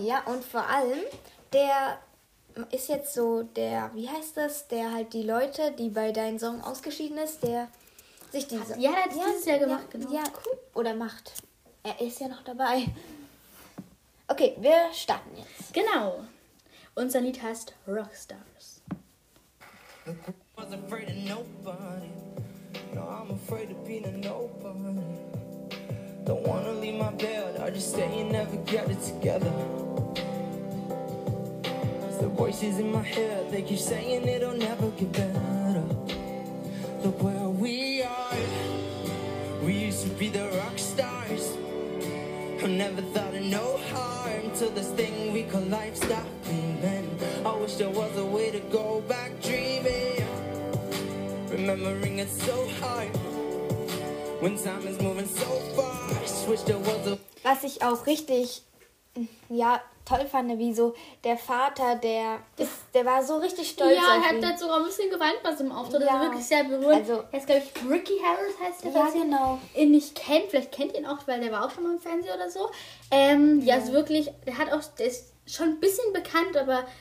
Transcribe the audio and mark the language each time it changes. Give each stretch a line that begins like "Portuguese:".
German: Ja, und vor allem, der ist jetzt so der, wie heißt das, der halt die Leute, die bei deinem Song ausgeschieden ist, der sich diese... Ja, der hat es dieses Jahr gemacht, genau. Ja, cool. Oder macht. Er ist ja noch dabei. Okay, wir starten jetzt. Genau. Unser Lied heißt Rockstars.
English: I was afraid of nobody. No, I'm afraid of being a nobody. Don't wanna leave my bed. I just say you never get it together. The voices in my head, they keep saying it'll never get better. Look where we are. We used to be the rock stars. I never thought of no harm till this thing we call life stopped being. I wish there was a way to go back dreaming. Remembering it so hard when time is moving so fast. Wish there was a...
German: Was ich auch richtig, ja, toll fand, wie so der Vater, der war so richtig stolz. Ja, er hat halt sogar ein bisschen geweint bei seinem Auftritt. Ja. Das ist wirklich sehr berührend. Also, er ist, glaube ich, Ricky Harris heißt der. Ja, genau. Ihn nicht kennt, vielleicht kennt ihr ihn auch, weil der war auch schon mal im Fernsehen oder so. Ist wirklich, der hat auch, der ist schon ein bisschen bekannt, aber